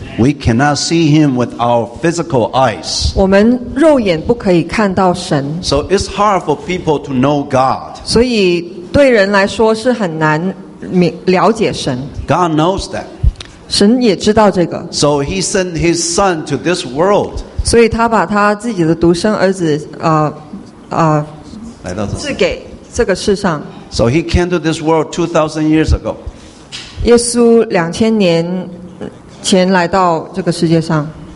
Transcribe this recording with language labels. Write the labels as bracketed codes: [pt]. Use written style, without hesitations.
[en] We cannot see him with our physical eyes. [zh] 我们肉眼不可以看到神。 [en] So it's hard for people to know God. [zh] 所以对人来说是很难了解神。 [en] God knows that. [zh] 神也知道这个。 [en] So he sent his son to this world. [zh] 所以他把他自己的独生儿子来到赐给这个世上。 [en] So he came to this world 2,000 years ago. [zh] 耶稣2000年前来到这个世界上。